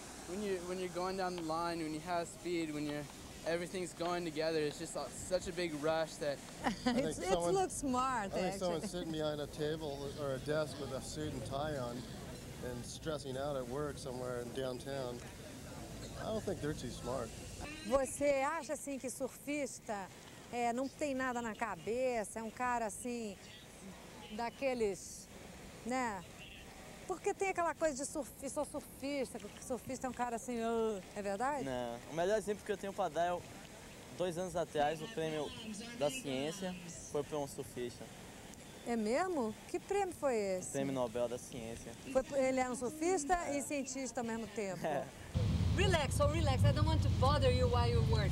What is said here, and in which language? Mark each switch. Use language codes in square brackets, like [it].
[en] When you're going down the line, when you have speed, everything's going together, it's just such a big rush that... I think someone's sitting behind a table or a desk with a suit and tie on and stressing out at work somewhere in downtown. I don't think they're too smart. [pt] Você acha assim que surfista não tem nada na cabeça, é um cara assim daqueles, né? Porque tem aquela coisa de surfista, surfista é um cara assim, é verdade? Não. O melhor exemplo que eu tenho para dar é 2 anos atrás, o prêmio da ciência foi para um surfista. É mesmo? Que prêmio foi esse? O prêmio Nobel da ciência. Ele é um surfista e cientista ao mesmo tempo. É. [en] Relax. I don't want to bother you while you're working.